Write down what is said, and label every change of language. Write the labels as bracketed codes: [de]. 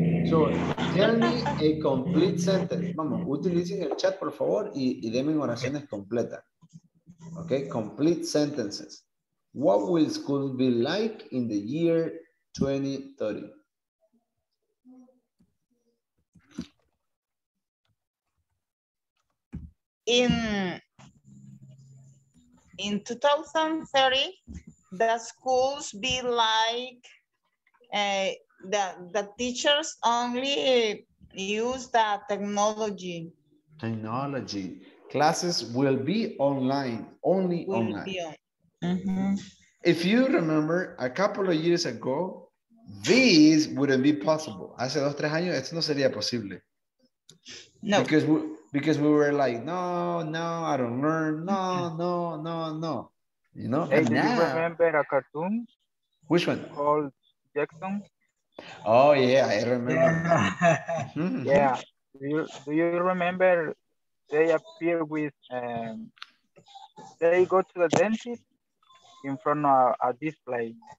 [en] So, tell me a complete sentence. [es] Vamos, utilicen el chat, por favor, y denme oraciones completas. [en] Okay, complete sentences. What will school be like in the year 2030? In 2030, the schools be like the teachers only use the technology. Technology. Classes will be online, only will online. Be on. If you remember, a couple of years ago, this wouldn't be possible. [es] Hace dos, tres años, esto no sería posible. [en] No. Because we were like, no, I don't learn. No. You know? Hey, do you remember a cartoon? Which one? Called Jackson. Oh, yeah, I remember. Yeah. Do you remember they appear with, they go to the dentist in front of a display.